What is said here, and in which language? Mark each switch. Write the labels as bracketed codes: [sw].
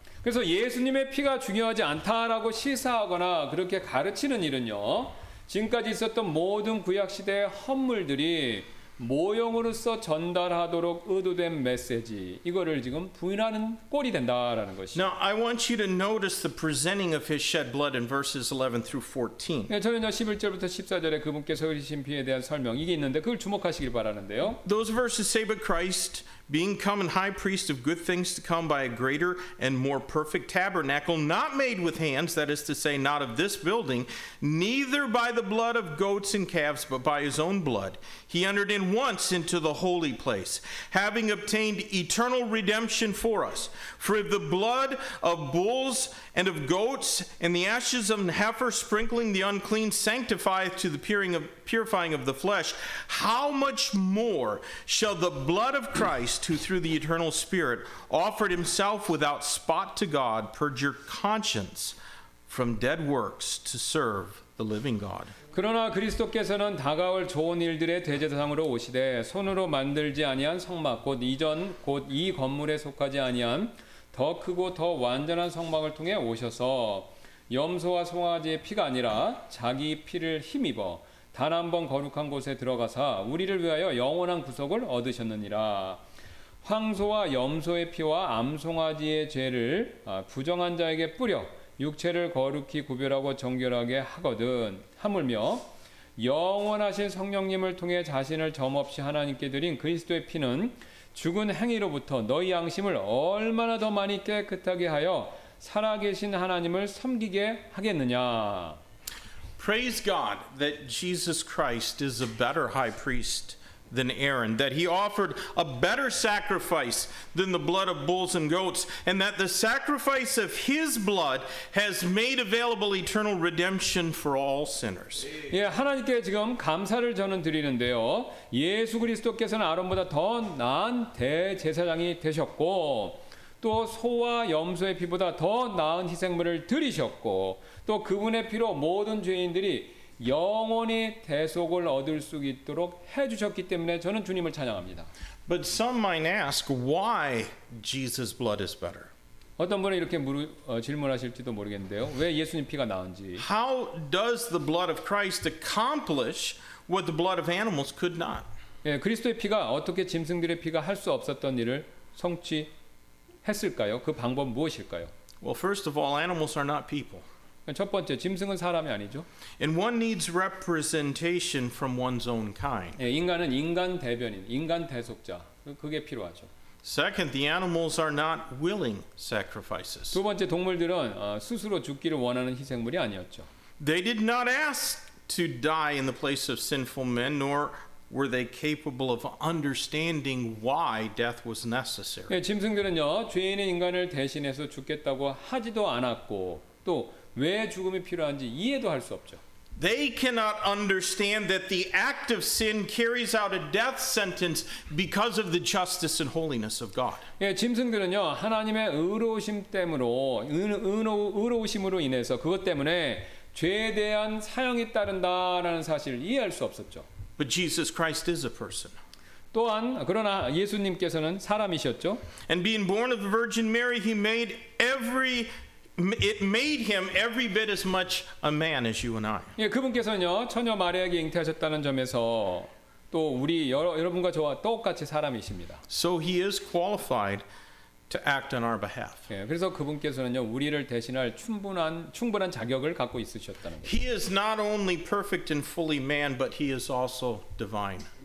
[ko] 그래서 예수님의 피가 중요하지 않다라고 시사하거나 그렇게 가르치는 일은요, 지금까지 있었던 모든 구약 시대의 헌물들이 모형으로서 전달하도록 의도된 메시지, 이거를 지금 부인하는 꼴이 된다라는 것이. [en] Now I want you to notice the presenting of his shed blood in verses 11 through 14. [ko] 예, 저는요, 11절부터 14절에 그분께서 흘리신 피에 대한 설명, 이게 있는데 그걸 주목하시길 바라는데요. [en] Those verses say but Christ being come and high priest of good things to come by a greater and more perfect tabernacle, not made with hands, that is to say, not of this building, neither by the blood of goats and calves, but by his own blood. He entered in once into the holy place, having obtained eternal redemption for us. For if the blood of bulls and of goats and the ashes of an heifer sprinkling the unclean sanctifieth to the purifying of the flesh, how much more shall the blood of Christ, who through the eternal Spirit offered himself without spot to God, purge your conscience from dead works to serve the living God? [ko] 그러나 그리스도께서는 다가올 좋은 일들의 대제사장으로 오시되 손으로 만들지 아니한 성막, 곧 이전 곧 이 건물에 속하지 아니한 더 크고 더 완전한 성막을 통해 오셔서 염소와 송아지의 피가 아니라 자기 피를 힘입어 단 한 번 거룩한 곳에 들어가사 우리를 위하여 영원한 구속을 얻으셨느니라. 황소와 염소의 피와 암송아지의 죄를 부정한 자에게 뿌려 육체를 거룩히 구별하고 정결하게 하거든. 하물며 영원하신 성령님을 통해 자신을 점없이 하나님께 드린 그리스도의 피는 죽은 행위로부터 너희 양심을 얼마나 더 많이 깨끗하게 하여 살아계신 하나님을 섬기게 하겠느냐. [en] Praise God that Jesus Christ is a better high priest than Aaron, that he offered a better sacrifice than the blood of bulls and goats, and that the sacrifice of his blood has made available eternal redemption for all sinners. [ko] 예, 하나님께 지금 감사를 저는 드리는데요. 예수 그리스도께서는 아론보다 더 나은 대제사장이 되셨고 또 소와 염소의 피보다 더 나은 희생물을 드리셨고 또 그분의 피로 모든 죄인들이 영원히 대속을 얻을 수 있도록 해주셨기 때문에 저는 주님을 찬양합니다. [en] But some might ask why Jesus' blood is better. [ko] 어떤 분은 이렇게 질문하실지도 모르겠는데요. 왜 예수님 피가 나은지. [en] How does the blood of Christ accomplish what the blood of animals could not? [ko] 예, 그리스도의 피가 어떻게 짐승들의 피가 할 수 없었던 일을 성취했을까요? 그 방법 무엇일까요? [en] Well, first of all, animals are not people. [ko] 첫 번째, 짐승은 사람이 아니죠. [en] And one needs representation from one's own kind. [ko] 예, 인간은 인간 대변인, 인간 대속자, 그게 필요하죠. [en] Second, the animals are not willing sacrifices. [ko] 두 번째, 동물들은 스스로 죽기를 원하는 희생물이 아니었죠. [en] They did not ask to die in the place of sinful men, nor were they capable of understanding why death was necessary. [ko] 예, 짐승들은요, 죄인의 인간을 대신해서 죽겠다고 하지도 않았고, 또 왜 죽음이 필요한지 이해도 할 수 없죠. [en] They cannot understand that the act of sin carries out a death sentence because of the justice and holiness of God. [ko] 예, 짐승들은요, 하나님의 의로우심 때문에 의로우심으로 인해서 그것 때문에 죄에 대한 사형이 따른다라는 사실을 이해할 수 없었죠. [en] But Jesus Christ is a person. [ko] 또한 그러나 예수님께서는 사람이셨죠. [en] And being born of the Virgin Mary, he made every it made him every bit as much a man as you and I. [ko] 예, 그분께서는요 처녀 마리아에게 잉태하셨다는 점에서 또 우리 여러분과 저와 똑같이 사람이십니다. [en] So he is qualified to act on our behalf. [ko] 예, 그래서 그분께서는요 우리를 대신할 충분한 자격을 갖고 있으셨다는 거예요. [en] He is not only perfect and fully man, but he is also divine.